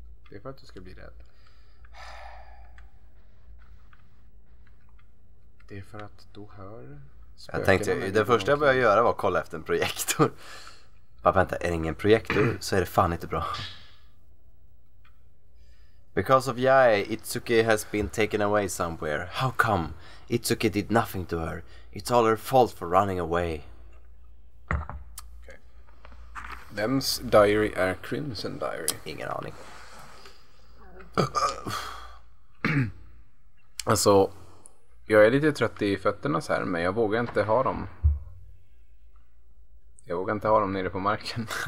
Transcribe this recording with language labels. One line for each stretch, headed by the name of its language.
Swedish: Det är för att du ska bli rädd. Det är för att du hör... Jag tänkte, det första jag började göra var att kolla efter en projektor. Bara vänta, är det ingen projektor så är det fan inte bra.
English: Because of Yae, Itsuki has been taken away somewhere. How come? Itsuki did nothing to her. It's all her fault for running away.
Swedish: Vems diary är Crimson Diary? Ingen aning. Alltså, jag är lite trött i fötterna så här, men jag vågar inte ha dem. Jag vågar inte ha dem nere på marken.